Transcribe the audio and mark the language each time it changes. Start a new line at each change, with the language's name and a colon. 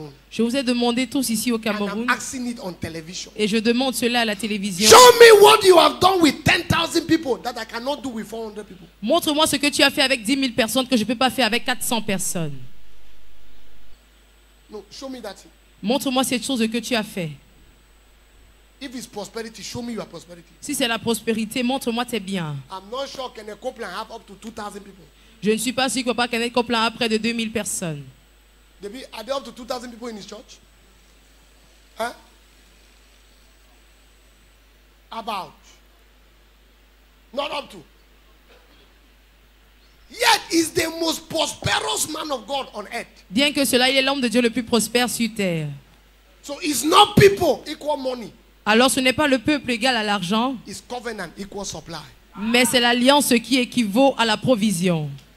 French: Je vous ai demandé tous ici au Cameroun.
English: And I'm asking it on television.
French: Et je demande cela à la télévision.
English: Show me what you have done with 10,000 people that I cannot do with 400 people.
French: Montre-moi ce que tu as fait avec 10,000 personnes que je ne peux pas faire avec 400 personnes.
English: No, show me that.
French: Montre-moi cette chose que tu as fait.
English: If it's prosperity, show me your prosperity.
French: Si c'est la prospérité, montre-moi tes biens.
English: I'm not sure Kenneth Copeland have up to 2,000 people.
French: Je ne suis pas sûr que Kenneth Copeland a près de 2,000 personnes.
English: Are there up to 2,000 people in his church? Huh? about. Not up to. Yet is the most prosperous man of God on earth.
French: Bien que cela, il est l'homme de Dieu le plus prospère sur terre.
English: So it's not people equal money.
French: Alors ce n'est pas le peuple égal à l'argent.
English: It's covenant equal supply.
French: Mais c'est l'alliance qui équivaut à la provision.